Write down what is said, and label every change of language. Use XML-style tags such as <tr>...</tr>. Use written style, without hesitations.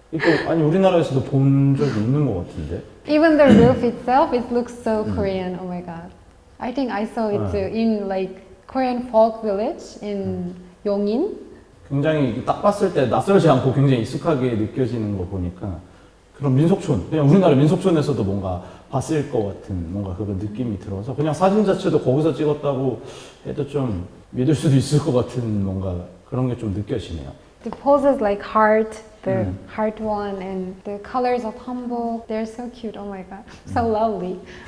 <ko>이거 아니 우리나라에서도 본 적 있는 것 같은데?</ko> <en>Even the roof itself, it looks so Korean. Oh my god. I think I saw it too in like Korean folk village in 용인.</en> <ko>굉장히 딱 봤을 때 낯설지 않고 굉장히 익숙하게 느껴지는 거 보니까 그런 민속촌, 그냥 우리나라 민속촌에서도 뭔가 봤을 것 같은 뭔가 그런 느낌이 들어서 그냥 사진 자체도 거기서 찍었다고 해도 좀 믿을 수도 있을 것 같은 뭔가 그런 게 좀 느껴지네요.</ko> <en>The poses like heart, the heart one, and the colors of hanbok, they're so cute. Oh my god, so lovely.</en>